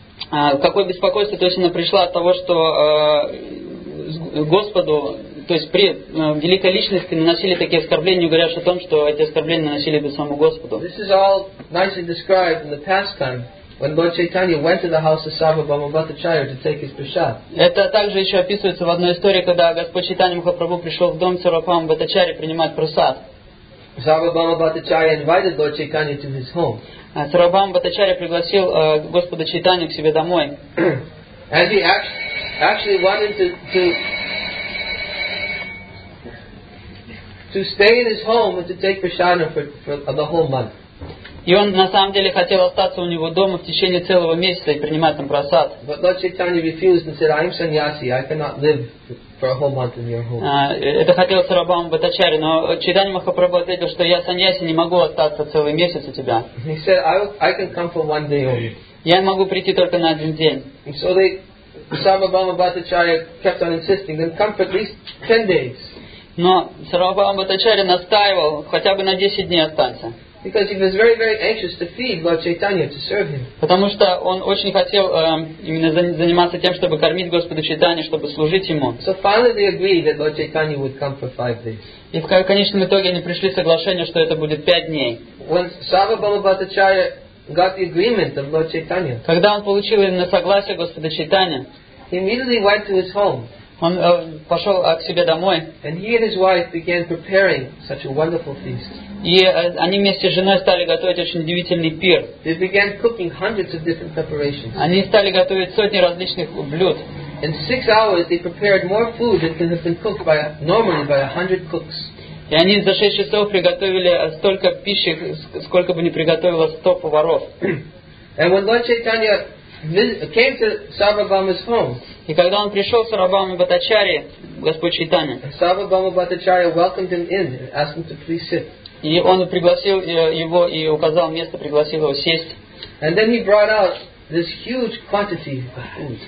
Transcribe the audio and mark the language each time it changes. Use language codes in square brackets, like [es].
[ru] Какое беспокойство, то есть она пришла от того, что Господу, то есть при великой личности наносили такие оскорбления, говоря о том, что эти оскорбления наносили бы самому Господу. [en] This is all nicely described in the pastime when Lord Chaitanya went to the house of Sarvabhauma Bhattacharya to take his prasad. [ru] Это также еще описывается в одной истории, когда Господь Чайтанья Махапрабху пришел в дом Сарвабхаума Бхаттачарья принимать прасад. [en] Sarvabhauma Bhattacharya invited Lord Chaitanya to his home. [ru] Сарвабхаума Бхаттачарья пригласил Господа Чайтанью к себе домой. [en] And he actually wanted to stay in his home and to take prasadam for the whole month. [ru] И он на самом деле хотел остаться у него дома в течение целого месяца и принимать там прасад. [en] But Lord Chaitanya refused and said, "I am sannyasi. I cannot live for a whole month in your home." [ru] Это хотел Сарвабхаума Бхаттачарья, но Чайтанья Махапрабху ответил, что я саньяси, не могу остаться целый месяц у тебя. [en] He said, "I can come for one day only." [ru] Я могу прийти только на один день. [en] So Сарвабхаума Бхаттачарья kept on insisting, "Then come for at least 10 days." [ru] Но Сарвабхаума Бхаттачарья настаивал, хотя бы на 10 дней остаться. [en] Because he was very, very anxious to feed Lord Chaitanya, to serve him. [ru] Потому что он очень хотел именно заниматься тем, чтобы кормить Господа Чайтанью, чтобы служить ему. [en] So finally they agreed that Lord Chaitanya would come for 5 days. [ru] И в конечном итоге они пришли к соглашению, что это будет 5 дней. [en] When Sarvabhauma Bhattacharya got the agreement of Lord Chaitanya. [ru] Когда он получил именно согласие Господа Чайтанья. [en] He immediately went to his home. [ru] Он пошел к себе домой. [en] And he and his wife began preparing such a wonderful feast. [ru] И они вместе с женой стали готовить очень удивительный пир. [en] They began cooking hundreds of different preparations. [ru] Они стали готовить сотни различных блюд. [en] In 6 hours they prepared more food than could have been cooked by normally by 100 cooks. [ru] И они за 6 часов приготовили столько пищи, сколько бы не приготовило 100 поваров. [en] And when Lord Chaitanya came to Sarvabhauma's home. [ru] И когда он пришел к Сарвабхауме Бхаттачарье, Господь Чайтанья. [en] Sarvabhauma Bhattacharya welcomed him in and asked him to please sit. [ru] И он пригласил его и указал место, пригласил его сесть. [en] And then he brought out this huge quantity of food.